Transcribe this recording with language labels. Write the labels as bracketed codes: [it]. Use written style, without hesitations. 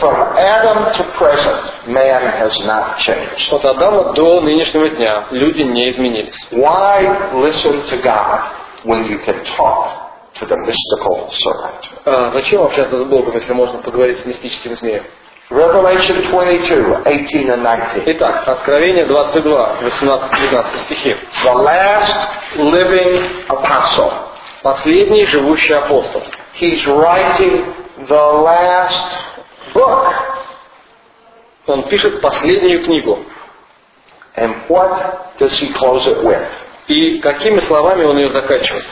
[en] From Adam to present, man has not changed. [ru] От Адама до нынешнего дня люди не изменились. [en] Why listen to God when you can talk to the mystical serpent? [ru] Зачем общаться с Богом, если можно поговорить с мистическим змеем? [en] Revelation 22:18-19. [ru] Итак, Откровение 22:18-19 стихи. [en] The last living apostle. [ru] Последний живущий апостол. [en] He's writing the last book. [ru] Он пишет последнюю книгу. [en] And what does he close it with? [ru] И какими словами он ее заканчивает?